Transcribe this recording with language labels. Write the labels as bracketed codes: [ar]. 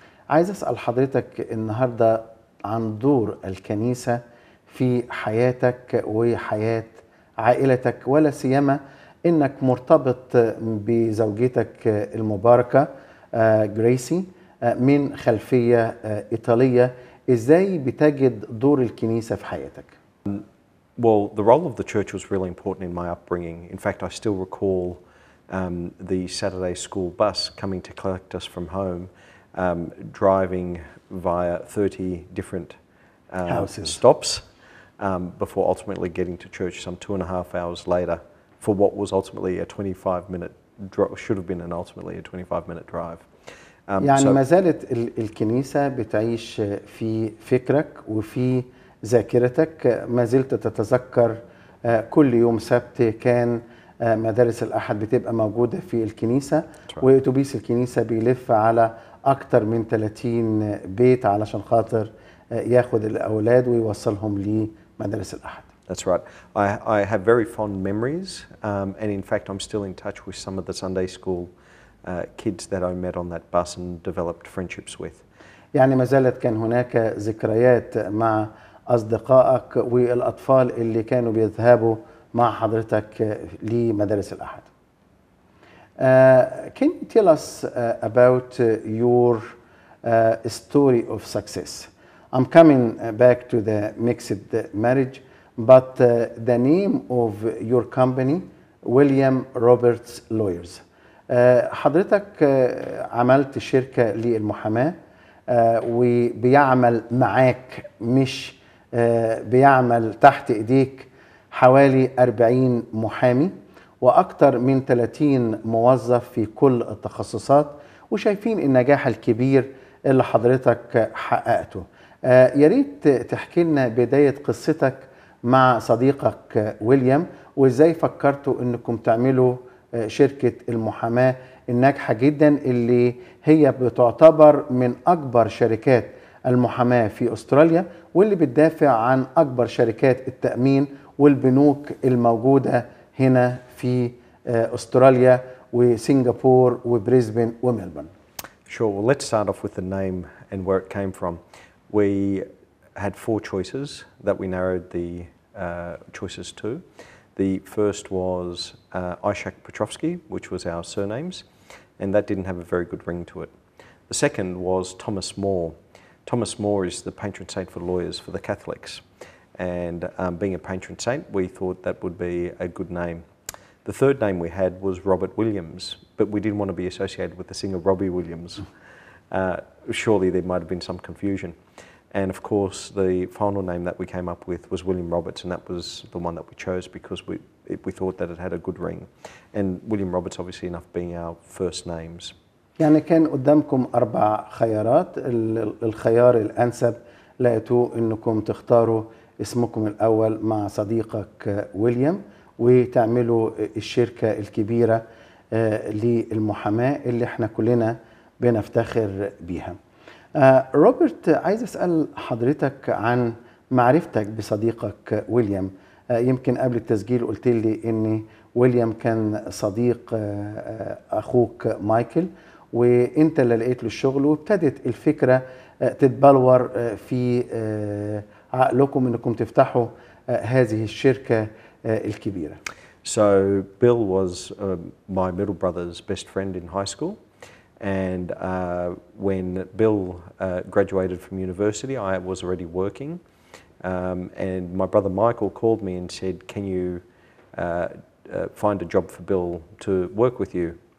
[ar] عايز أسأل حضرتك النهاردة عن دور الكنيسة في حياتك وحياة عائلتك، ولا سيما إنك مرتبط بزوجتك المباركة جريسي من خلفية إيطالية. إزاي بتجد دور الكنيسة في حياتك؟ [en] Well, the role of the church was really important in my upbringing. In fact, I still recall the Saturday school bus coming to collect us from home, driving via 30 different stops before ultimately getting to church some 2.5 hours later for what was ultimately a 25-minute drive, should have been an ultimately a 25-minute drive. [ar] يعني ما زالت الكنيسة بتعيش في فكرك وفي ذاكرتك، ما زلت تتذكر كل يوم سبت كان مدارس الأحد بتبقى موجودة في الكنيسة، وأتوبيس الكنيسة بيلف على أكتر من 30 بيت علشان خاطر ياخذ الأولاد ويوصلهم لمدارس الأحد. [en] That's right. I have very fond memories and in fact I'm still in touch with some of the Sunday school kids that I met on that bus and developed friendships with. [ar] يعني ما زالت كان هناك ذكريات مع أصدقائك والأطفال اللي كانوا بيذهبوا مع حضرتك لمدارس الأحد. [en] Can you tell us about your story of success? I'm coming back to the mixed marriage, but the name of your company, William Roberts Lawyers. [ar] حضرتك عملت شركة للمحاماة وبيعمل معاك مش بيعمل تحت ايديك حوالي 40 محامي واكتر من 30 موظف في كل التخصصات، وشايفين النجاح الكبير اللي حضرتك حققته. ياريت تحكي لنا بداية قصتك مع صديقك ويليام، وازاي فكرتوا انكم تعملوا شركة المحاماة الناجحة جدا اللي هي بتعتبر من اكبر شركات المحاماة في أستراليا، واللي بتدافع عن أكبر شركات التأمين والبنوك الموجودة هنا في أستراليا وسنغافور وبريسبن وملبورن. [en] Sure. Well, let's start off with the name and where it came from. We had four choices that we narrowed the choices to. The first was Ishak Petrovsky, which was our surnames, and that didn't have a very good ring to it. The second was Thomas More. Thomas More is the patron saint for lawyers for the Catholics. And being a patron saint, we thought that would be a good name. The third name we had was Robert Williams, but we didn't want to be associated with the singer Robbie Williams. Surely there might have been some confusion. And of course, the final name that we came up with was William Roberts, and that was the one that we chose because we thought that it had a good ring. And William Roberts, obviously enough, being our first names. [ar] يعني كان قدامكم أربع خيارات، الخيار الأنسب لقيتوا أنكم تختاروا اسمكم الأول مع صديقك ويليام وتعملوا الشركة الكبيرة للمحاماة اللي احنا كلنا بنفتخر بيها. روبرت، عايز أسأل حضرتك عن معرفتك بصديقك ويليام. يمكن قبل التسجيل قلت لي أن ويليام كان صديق أخوك مايكل وانت اللي لقيت له الشغل، وابتدت الفكرة تتبلور في عقلكم انكم تفتحوا هذه الشركة الكبيرة. [en] So Bill was my middle brother's best friend in high school, and when Bill graduated from university I was already working, and my brother Michael called me and said, can you find a job for Bill to work with you?